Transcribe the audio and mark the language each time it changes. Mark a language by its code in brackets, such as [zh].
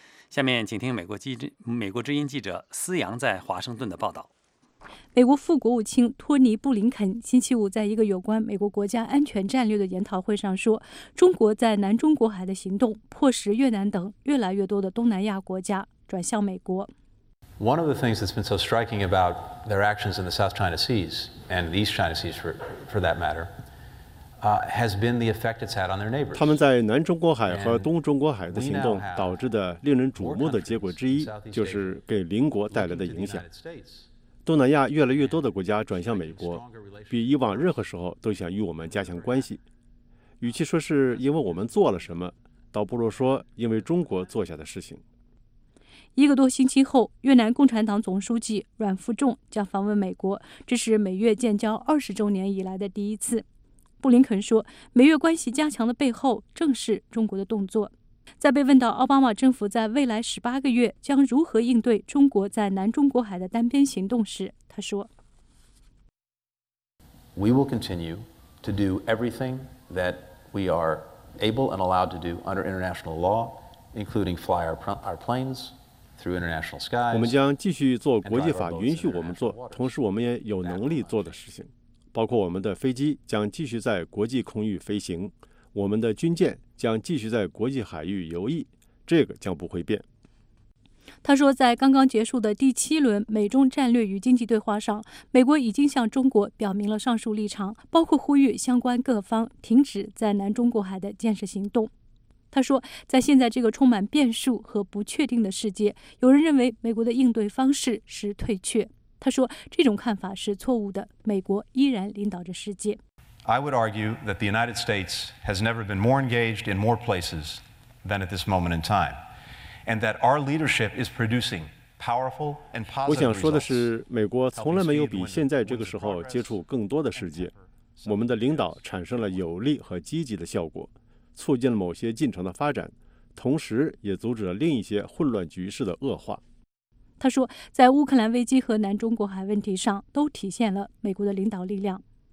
[zh] 下面请听美国之音记者思阳在华盛顿的报道。美国副国务卿托尼·布林肯星期五在一个有关美国国家安全战略的研讨会上说，中国在南中国海的行动迫使越南等越来越多的东南亚国家转向美国。 [en] One of the things that's been so striking about their actions in the South China Seas and the East China Seas for that matter, has been the effect it's had on their neighbors. [zh] 他们在南中国海和东中国海的行动导致的令人瞩目的结果之一，就是给邻国带来的影响。东南亚越来越多的国家转向美国，比以往任何时候都想与我们加强关系。与其说是因为我们做了什么，倒不如说因为中国做下的事情。一个多星期后，越南共产党总书记阮富仲将访问美国，这是美越建交20周年以来的第一次。布林肯说，美越关系加强的背后正是中国的动作。在被问到奥巴马政府在未来18个月将如何应对中国在南中国海的单边行动时，他说 [en] ：“We will continue to do everything that we are able and allowed to do under international law, including fly our planes through international skies。 [zh] 我们将继续做国际法允许我们做，同时我们也有能力做的事情，包括我们的飞机将继续在国际空域飞行，我们的军舰将继续在国际海域游弋，这个将不会变。” 他说，在刚刚结束的第7轮美中战略与经济对话上，美国已经向中国表明了上述立场，包括呼吁相关各方停止在南中国海的建设行动。他说，在现在这个充满变数和不确定的世界，有人认为美国的应对方式是退却。他说，这种看法是错误的，美国依然领导着世界。 [en] I would argue that the United States has never been more engaged in more places than at this moment in time, and that our leadership is producing powerful and positive results. [zh] 我想说的是，美国从来没有比现在这个时候接触更多的世界。我们的领导产生了有力和积极的效果，促进了某些进程的发展，同时也阻止了另一些混乱局势的恶化。他说，在乌克兰危机和南中国海问题上，都体现了美国的领导力量。